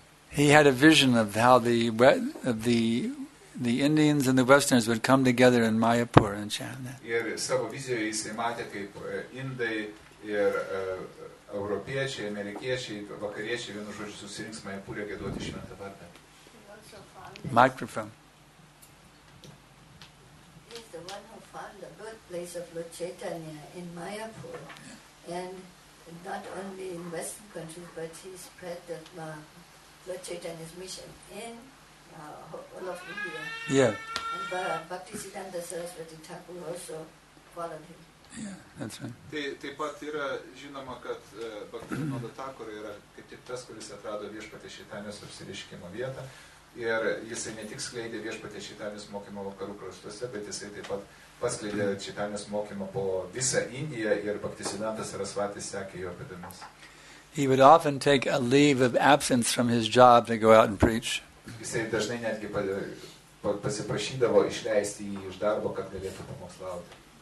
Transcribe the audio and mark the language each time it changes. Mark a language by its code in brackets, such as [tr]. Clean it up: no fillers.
[en] He had a vision of how the Indians and the Westerners would come together in Mayapur and chant that. [lt] Ir savo vizijoje jis matė, kaip Indai ir Europiečiai, Amerikiečiai, Vakariečiai vienu žodžiu susirinks Mayapurė gėduoti šventą vardą. [en] Microphone. He's the one who found the birthplace of Lord Chaitanya in Mayapur. And not only in Western countries, but he spread the Lord Chaitanya's mission in all of India. Yeah. And Bhaktisiddhanta Saraswati Thakur also followed him. Yeah, that's right. [lt] Taip pat yra žinoma, kad Bhaktisiddhanta Thakur yra kaip tik tas, kuris atrado viešpaties Čaitanjos apsireiškimo vietą. Ir jisai ne tik skleidė viešpaties Čaitanjos mokymo vakarų kraštuose, bet jisai taip pat paskleidė Čaitanjos mokymo po visą Indiją ir Bhaktisiddhanta Saraswati sekė jo pėdomis. [en] He would often take a leave of absence from his job to go out and preach. [lt] Jisai dažnai netgi pasiprašydavo išleisti jį iš darbo, kad galėtų pamokslauti.